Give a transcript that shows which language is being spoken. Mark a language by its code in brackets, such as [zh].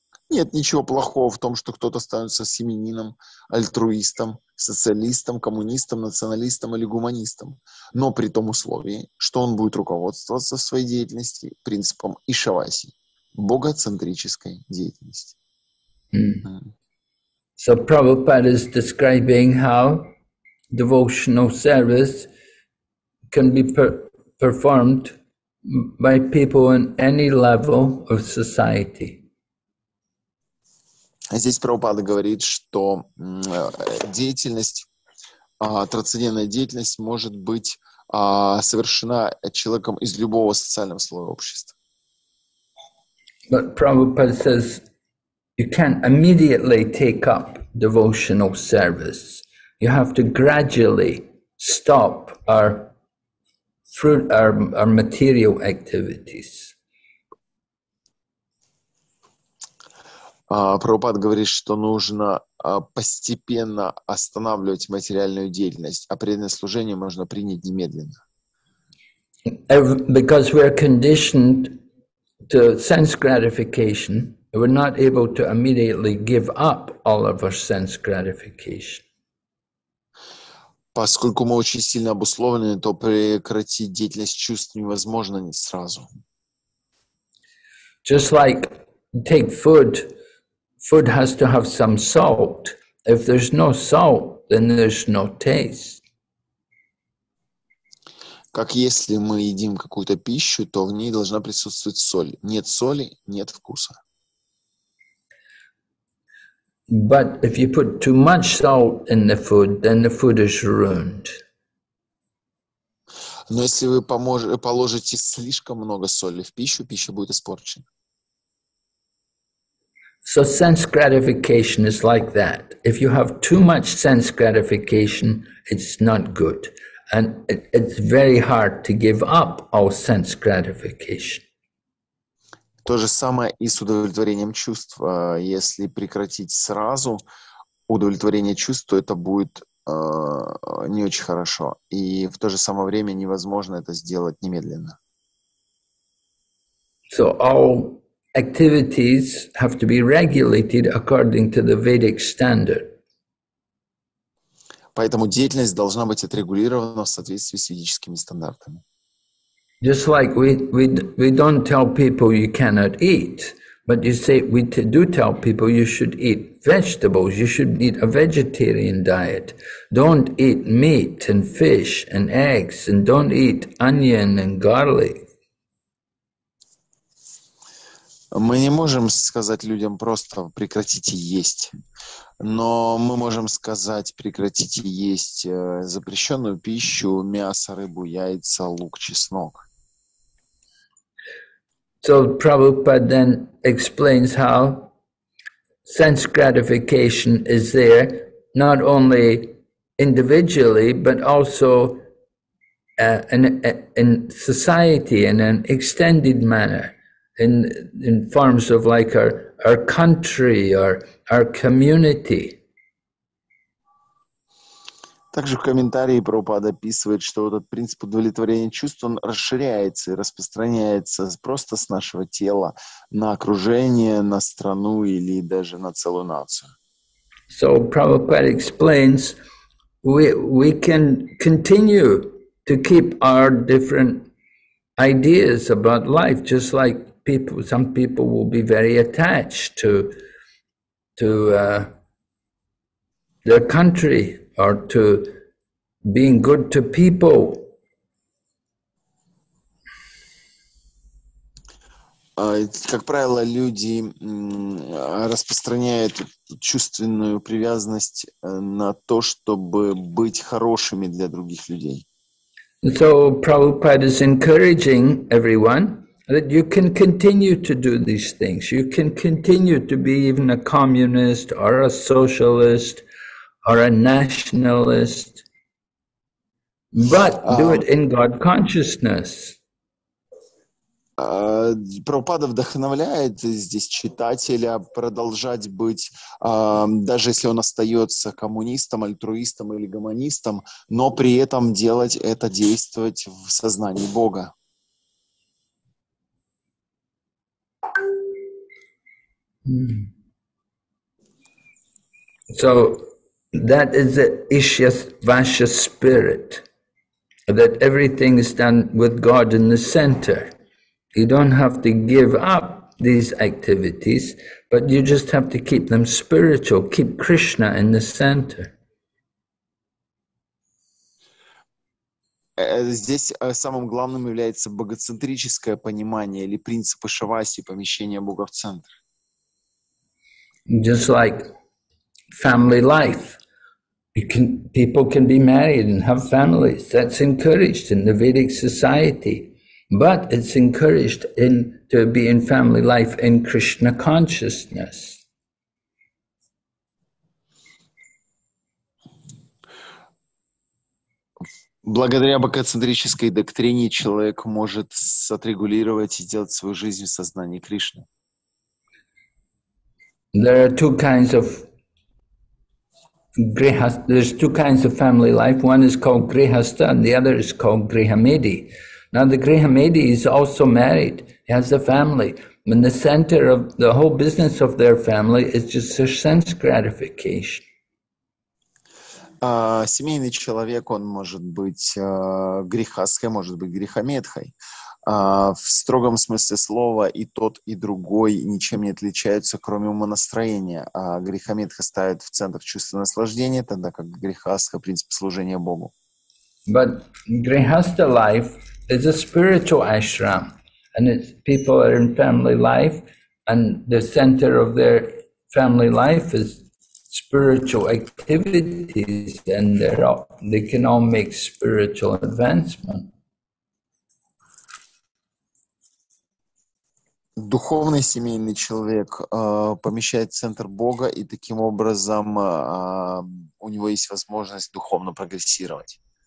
[ru] Нет ничего плохого в том, что кто-то становится семенином, альтруистом, социалистом, коммунистом, националистом или гуманистом, но при том условии, что он будет руководствоваться в своей деятельности принципом Ишаваси, богоцентрической деятельности. [en] So Prabhupada is describing how devotional service can be performed by people on any level of society. [ru] Здесь Прабхупада говорит, что деятельность, трансцендентная деятельность может быть совершена человеком из любого социального слоя общества. [en] But Prabhupada says you can't immediately take up devotional service. You have to gradually stop our material activities. [ru] Прабхупада говорит, что нужно постепенно останавливать материальную деятельность, а преданное служение можно принять немедленно. [en] Because we are conditioned to sense gratification, we're not able to immediately give up all of our sense gratification. [ru] Поскольку мы очень сильно обусловлены, то прекратить деятельность чувств невозможно не сразу. [en] Just like take food. Food has to have some salt. If there's no salt, then there's no taste. [ru] Как если мы едим какую-то пищу, то в ней должна присутствовать соль. Нет соли, нет вкуса. [en] But if you put too much salt in the food, then the food is ruined. [ru] Но если вы положите слишком много соли в пищу, пища будет испорчена. [en] So sense gratification is like that. If you have too much sense gratification, it's not good. And it's very hard to give up all sense gratification. [ru] То же самое и с удовлетворением чувств. Если прекратить сразу удовлетворение чувств, то это будет не очень хорошо. И в то же самое время невозможно это сделать немедленно. [en] So all activities have to be regulated according to the Vedic standard. [ru] Поэтому деятельность должна быть отрегулирована в соответствии с ведическими стандартами. [en] Just like we don't tell people you cannot eat, but you say we do tell people you should eat vegetables, you should eat a vegetarian diet. Don't eat meat and fish and eggs, and don't eat onion and garlic. [ru] Мы не можем сказать людям просто «прекратите есть», но мы можем сказать «прекратите есть запрещенную пищу, мясо, рыбу, яйца, лук, чеснок». [en] So Prabhupada then explains how sense gratification is there not only individually, but also in society in an extended manner. In forms of like our country or our community. [ru] Также в комментарии Прабхупада описывает, что этот принцип удовлетворения чувств он расширяется и распространяется просто с нашего тела на окружение, на страну или даже на целую нацию. [en] So Prabhupada explains, we can continue to keep our different ideas about life, just like people, some people will be very attached to their country or to being good to people. [ru] Как правило, люди распространяют чувственную привязанность на то, чтобы быть хорошими для других людей. [en] So Prabhupada is encouraging everyone that you can continue to do these things. You can continue to be even a communist or a socialist or a nationalist, but do it in God consciousness. [ru] Прабхупада вдохновляет здесь читателя продолжать быть, даже если он остается коммунистом, альтруистом или гуманистом, но при этом делать это, действовать в сознании Бога. [en] So that is the Ishya Vashya spirit, that everything is done with God in the center. You don't have to give up these activities, but you just have to keep them spiritual, keep Krishna in the center. [ru] Здесь самым главным является богоцентрическое понимание или принцип Ишавасьи, помещение Бога в центр. [en] Just like family life, people can be married and have families. That's encouraged in the Vedic society, but it's encouraged to be in family life in Krishna consciousness. [ru] Благодаря богоцентрической доктрине человек может отрегулировать и сделать свою жизнь в сознании Кришны. [en] There are two kinds of there's two kinds of family life. One is called grihastha and the other is called grihamedi. Now the grihamedi is also married, he has a family. And the center of the whole business of their family is just their sense gratification. [ru] Семейный человек, он может быть грихастхой, может быть грихамедхой. В строгом смысле слова и тот, и другой ничем не отличаются, кроме умонастроения. Грихамедха ставит в центр чувство наслаждения, тогда как грихастха — принцип служения Богу. [en] But grihastha life is a spiritual ashram, and it's people are in family life, and the center of their family life is spiritual activities, and they can all make spiritual advancement. [ru] Духовный семейный человек помещает в центр Бога, и таким образом у него есть возможность духовно прогрессировать.